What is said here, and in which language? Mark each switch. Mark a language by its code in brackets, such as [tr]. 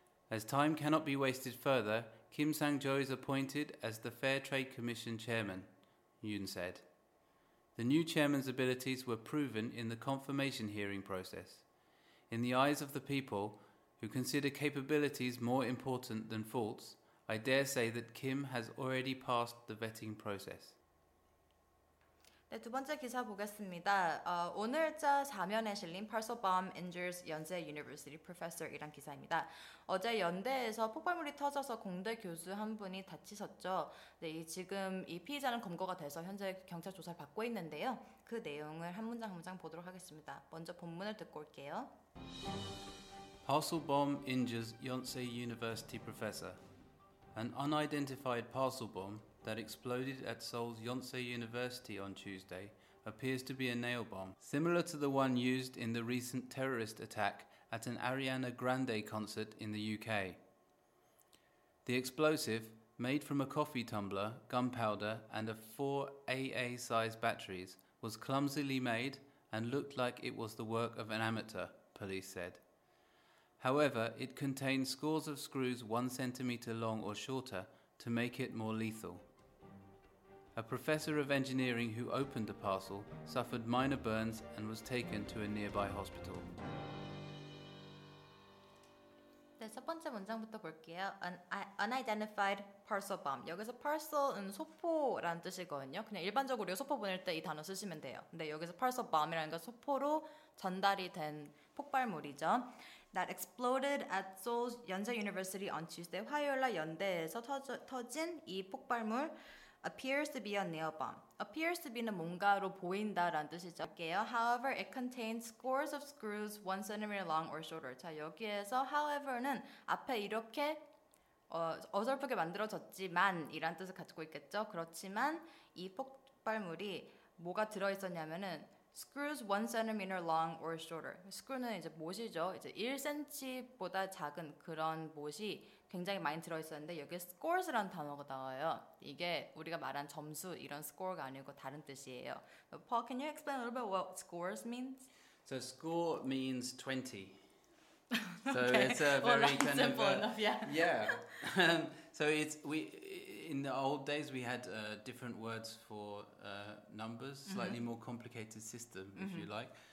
[en] As time cannot be wasted further, Kim Sang-jo is appointed as the Fair Trade Commission chairman, Yoon said. The new chairman's abilities were proven in the confirmation hearing process. In the eyes of the people, who consider capabilities more important than faults, I dare say that Kim has already passed the vetting process. [ko] 네, 두 번째 기사 보겠습니다. 오늘자 사면에 실린 [en] Parselbaum injures 연세 University professor [ko] 이란 기사입니다. 어제 연대에서 폭발물이 터져서 공대 교수 한 분이 다치셨죠. 네, 지금 이 피의자는 검거가 돼서 현재 경찰 조사를 받고 있는데요. 그 내용을 한 문장 한 문장 보도록 하겠습니다. 먼저 본문을 듣고 올게요. [en] Parselbaum injures Yonsei University professor. An unidentified parcel bomb that exploded at Seoul's Yonsei University on Tuesday appears to be a nail bomb, similar to the one used in the recent terrorist attack at an Ariana Grande concert in the UK. The explosive, made from a coffee tumbler, gunpowder, and a four AA-sized batteries, was clumsily made and looked like it was the work of an amateur, police said. However, it contains scores of screws 1 centimeter long or shorter to make it more lethal. A professor of engineering who opened the parcel suffered minor burns and was taken to a nearby hospital. [ko] 네, 첫 번째 문장부터 볼게요. [en] Unidentified parcel bomb. [ko] 여기서 parcel은 소포라는 뜻이거든요. 그냥 일반적으로 소포 보낼 때 이 단어 쓰시면 돼요. 근데 여기서 parcel bomb이라는 건 소포로 전달이 된 폭발물이죠. [en] that exploded at Seoul's Yonsei University on Tuesday. [ko] 화요일 날 연대에서 터진 이 폭발물 [en] appears to be a nail bomb. [ko] appears to be는 뭔가로 보인다라는 뜻이죠. 할게요. [en] However, it contains scores of screws 1 centimeter long or shorter. [ko] 자, 여기에서 however는 앞에 이렇게 어설프게 만들어졌지만 이란 뜻을 가지고 있겠죠. 그렇지만 이 폭발물이 뭐가 들어 있었냐면은 [en] screws 1 centimeter long or shorter. [ko] screw는 이제 못이죠. 이제 1cm보다 작은 그런 못이 굉장히 많이 들어 있었는데 여기 scores라는 단어가 나와요. 이게 우리가 말한 점수 이런 score가 아니고 다른 뜻이에요. [en] But Paul, can you explain a little bit what scores means? So score means 20. So okay. It's a very well, kind simple of a, enough, yeah. Yeah. So it's we in the old days we had different words for numbers, slightly mm-hmm. more complicated system, if mm-hmm. you like.